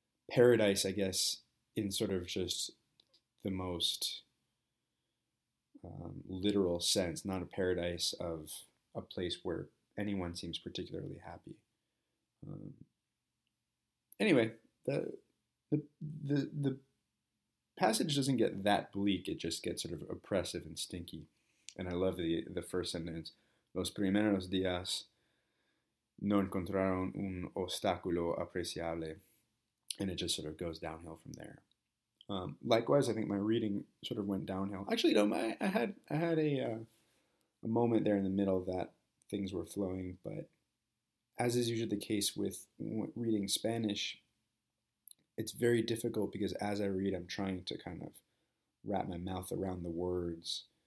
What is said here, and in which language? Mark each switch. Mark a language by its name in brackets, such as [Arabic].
[English] Paradise, I guess, in sort of just the most literal sense, not a paradise of a place where anyone seems particularly happy. Anyway, the passage doesn't get that bleak. It just gets sort of oppressive and stinky. And I love the first sentence. [Spanish] Los primeros días no encontraron un obstáculo apreciable. [English] And it just sort of goes downhill from there. Likewise, I think my reading sort of went downhill. Actually, no, I had a moment there in the middle that things were flowing, but as is usually the case with reading Spanish, it's very difficult because as I read, I'm trying to kind of wrap my mouth around the words.